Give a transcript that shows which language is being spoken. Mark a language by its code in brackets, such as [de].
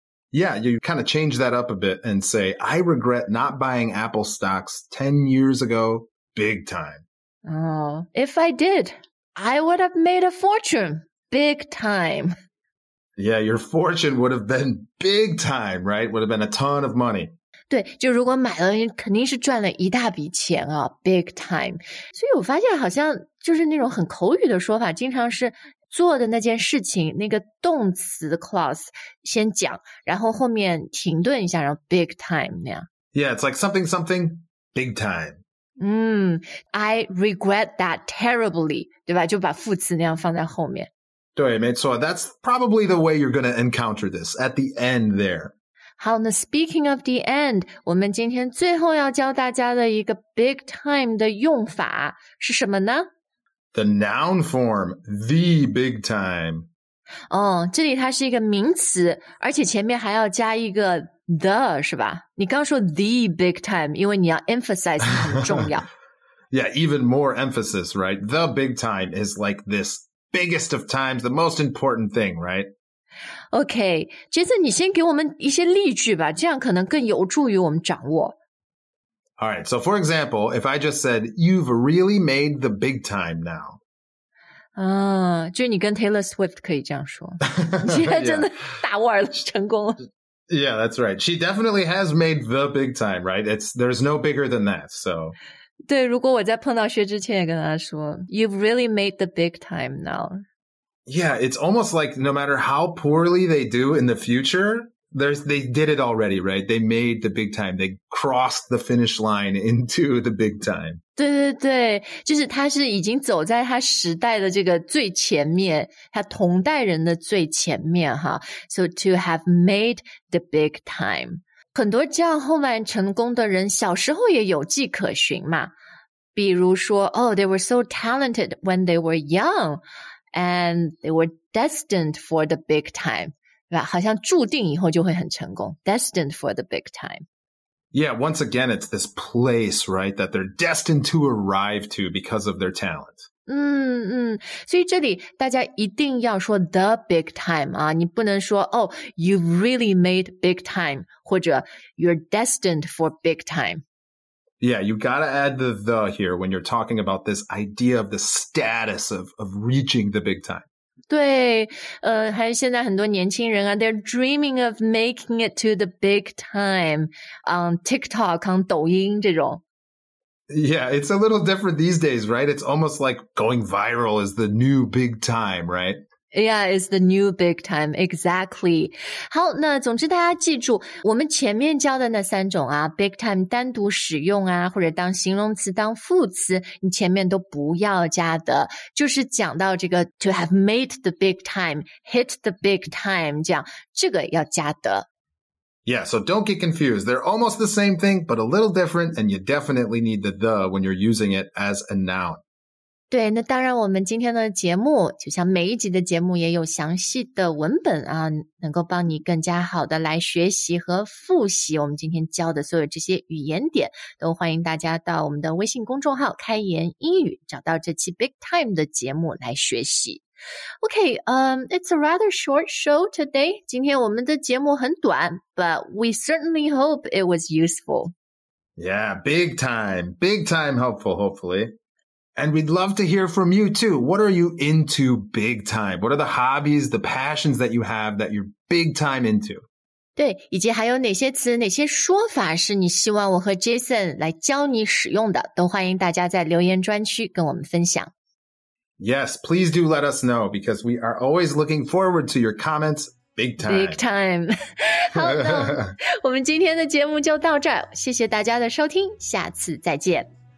[en] Yeah, you kind of change that up a bit and say, I regret not buying Apple stocks 10 years ago, big time. Oh, if I did, I would have made a fortune, big time. Yeah, your fortune would have been big time, right? Would have been a ton of money. [zh] 对，就如果买了，肯定是赚了一大笔钱啊 big time. 所以我发现好像就是那种很口语的说法，经常是做的那件事情，那个动词 clause 先讲，然后后面停顿一下，然后 big time 那样。 [en] Yeah, it's like something something big time. I regret that terribly, [zh] 对吧？就把副词那样放在后面。对，没错。 [en] That's probably the way you're going to encounter this at the end there. [zh] 好，那 [en] speaking of the end, [zh] 我们今天最后要教大家的一个 big time 的用法是什么呢？ [en] The noun form, the big time. [zh] 哦，这里它是一个名词，而且前面还要加一个 the, 是吧？你刚说 the big time, 因为你要 emphasize 很重要。 [en] Yeah, even more emphasis, right? The big time is like this biggest of times, the most important thing, right? [zh] Okay, Jason, 你先给我们一些例句吧，这样可能更有助于我们掌握。 [en] All right, so for example, if I just said, you've really made the big time now. [zh] 就你跟 Taylor Swift 可以这样说。你现在真的大腕了，成功了。 [en] Yeah, that's right. She definitely has made the big time, right? There's no bigger than that, so. [zh] 对，如果我在碰到薛之谦也跟他说 [en] you've really made the big time now. Yeah, it's almost like no matter how poorly they do in the future, they did it already, right? They made the big time. They crossed the finish line into the big time. [zh] 对对对，就是他是已经走在他时代的这个最前面，他同代人的最前面哈。 [en] So to have made the big time. [zh] 很多这样后来成功的人小时候也有迹可循嘛。比如说 [en] oh, they were so talented when they were young. And they were destined for the big time, right? [zh] 好像注定以后就会很成功 [en] destined for the big time. Yeah, once again, it's this place, right, that they're destined to arrive to because of their talent. [zh] 所以这里大家一定要说 the big time 啊，你不能说 [en] oh, you've really made big time, [zh] 或者 [en] you're destined for big time. Yeah, you gotta add the here when you're talking about this idea of the status of reaching the big time. [zh] 对，还有现在很多年轻人啊， [en] they're dreaming of making it to the big time on TikTok, on [zh] 抖音这种。 [en] Yeah, it's a little different these days, right? It's almost like going viral is the new big time, right? Yeah, it's the new big time, exactly. [zh] 好，那总之大家记住，我们前面教的那三种啊 ,big time 单独使用啊，或者当形容词当副词，你前面都不要加的。就是讲到这个 [en] to have made the big time, [zh] hit the big time, 这样这个要加的。 [en] Yeah, so don't get confused. They're almost the same thing, but a little different, and you definitely need the when you're using it as a noun. [zh] 对，那当然我们今天的节目就像每一集的节目也有详细的文本啊，能够帮你更加好的来学习和复习我们今天教的所有这些语言点，都欢迎大家到我们的微信公众号开言英语找到这期 Big Time 的节目来学习。 [en] Okay, it's a rather short show today. [zh] 今天我们的节目很短 [en] but we certainly hope it was useful. Yeah, big time helpful, hopefully. And we'd love to hear from you, too. What are you into big time? What are the hobbies, the passions that you have that you're big time into? [zh] 对，以及还有哪些词、哪些说法是你希望我和 Jason 来教你使用的，都欢迎大家在留言专区跟我们分享。 [en] Yes, please do let us know, because we are always looking forward to your comments big time. Big time. [zh] 好，那我们今天的节目就到这儿。谢谢大家的收听，下次再见。